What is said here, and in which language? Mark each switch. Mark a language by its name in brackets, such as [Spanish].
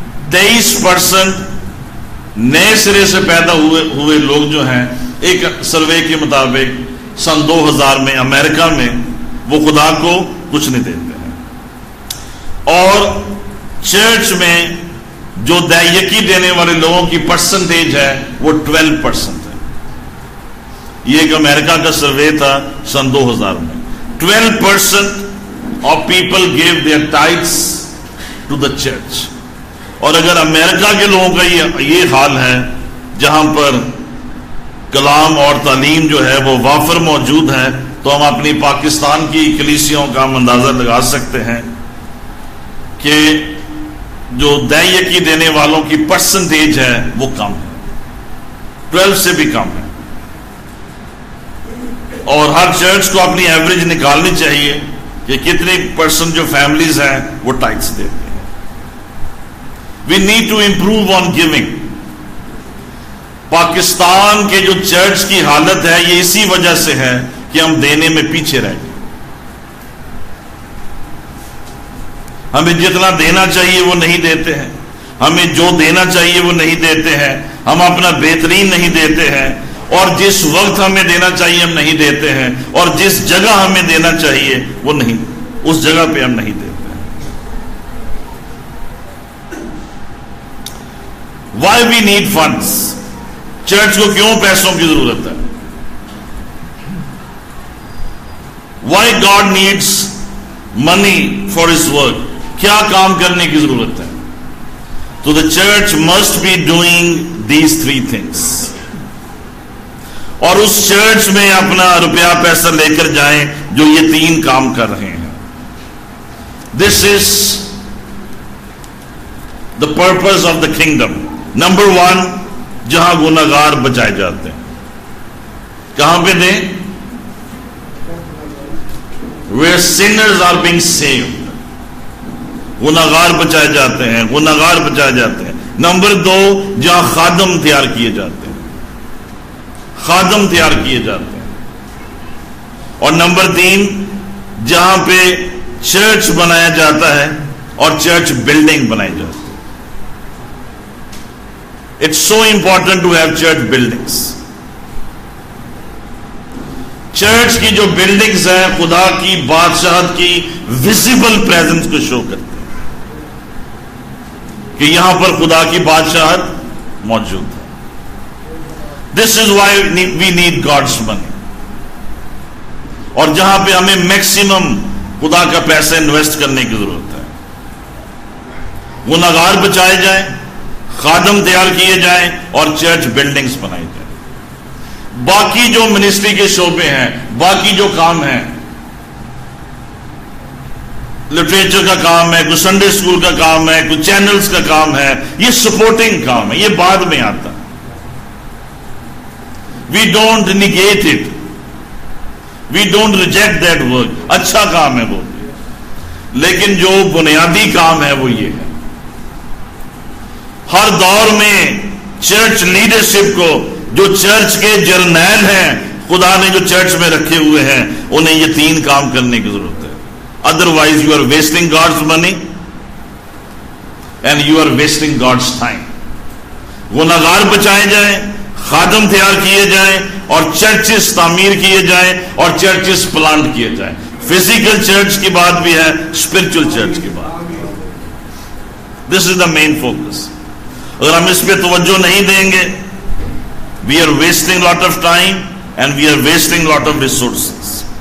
[Urdu] 23% نئے سرے سے پیدا ہوئے لوگ جو ہیں ایک سروے کے مطابق سن 2000 میں امریکہ میں وہ خدا کو کچھ نہیں دیتے ہیں. اور چرچ میں جو دائیکی دینے والے لوگوں کی پرسنٹیج ہے وہ 12% ہے. یہ ایک امریکہ کا سروے تھا سن 2000 میں. [English] 12% of people gave their tithes to the church. [Urdu] اور اگر امریکہ کے لوگوں کا یہ حال ہے جہاں پر کلام اور تعلیم جو ہے وہ وافر موجود ہے تو ہم اپنی پاکستان کی کلیسیوں کا ہم اندازہ لگا سکتے ہیں کہ جو دائیکی دینے والوں کی پرسنٹیج ہے وہ کم ہے، 12 سے بھی کم ہے. اور ہر چرچ کو اپنی ایوریج نکالنی چاہیے کہ کتنے پرسن جو فیملیز ہیں وہ ٹائٹس دیتے ہیں. [English] We need to improve on giving. [Urdu] Pakistan کے جو چرچ کی حالت ہے یہ اسی وجہ سے ہے کہ ہم دینے میں پیچھے رہ گئے. ہمیں جتنا دینا چاہیے وہ نہیں دیتے ہیں، ہمیں جو دینا چاہیے وہ نہیں دیتے ہیں، ہم اپنا بہترین نہیں دیتے ہیں، اور جس وقت ہمیں دینا چاہیے ہم نہیں دیتے ہیں، اور جس جگہ ہمیں دینا چاہیے وہ نہیں، اس جگہ پہ ہم نہیں دیتے ہیں. [English] Why we need funds؟ [Urdu] Church کو کیوں پیسوں کی ضرورت ہے؟ [English] Why God needs money for his work؟ [Urdu] کیا کام کرنے کی ضرورت ہے؟ [English] تو the church must be doing these three things. [Urdu] اور اس چرچ میں اپنا روپیہ پیسہ لے کر جائیں جو یہ تین کام کر رہے ہیں. [English] This is the purpose of the kingdom. [Urdu] Number one, جہاں گناہگار بچائے جاتے ہیں. کہاں پہ دیں؟ [English] Where sinners are being saved. [Urdu] گناہگار بچائے جاتے ہیں، گناہگار بچائے جاتے ہیں. نمبر دو، جہاں خادم تیار کیے جاتے ہیں، خادم تیار کیے جاتے ہیں. اور نمبر تین، جہاں پہ چرچ بنایا جاتا ہے اور چرچ بلڈنگ بنائی جاتی ہے. [English] It's so important to have church buildings. [Urdu] Church کی جو بلڈنگس ہیں خدا کی بادشاہت کی ویزیبل پریزنس کو شو کرتے ہیں کہ یہاں پر خدا کی بادشاہت موجود ہے. [English] This is why we need God's money. [Urdu] اور جہاں پہ ہمیں میکسیمم خدا کا پیسہ انویسٹ کرنے کی ضرورت ہے. گنہگار بچائے جائیں, خادم تیار کیے جائیں اور چرچ بلڈنگز بنائی جائیں. باقی جو منسٹری کے شعبے ہیں, باقی جو کام ہیں, لٹریچر کا کام ہے, کچھ سنڈے اسکول کا کام ہے, کچھ چینلز کا کام ہے, یہ سپورٹنگ کام ہے, یہ بعد میں آتا. [English] We don't negate it, we don't reject that work. [Urdu] اچھا کام ہے وہ, لیکن جو بنیادی کام ہے وہ یہ ہے, ہر دور میں چرچ لیڈرشپ کو, جو چرچ کے جرنیل ہیں خدا نے جو چرچ میں رکھے ہوئے ہیں, انہیں یہ تین کام کرنے کی ضرورت ہے. [English] Otherwise you are wasting God's money and you are wasting God's time. [Urdu] گنہگار بچائے جائیں, خادم تیار کیے جائیں اور چرچز تعمیر کیے جائیں اور چرچز پلانٹ کیے جائیں. فزیکل چرچ کی بات بھی ہے, اسپرچل چرچ کی بات. [English] This is the main focus. [Urdu] اگر ہم اس پہ توجہ نہیں دیں گے, [English] We are wasting lot of time and we are wasting lot of resources.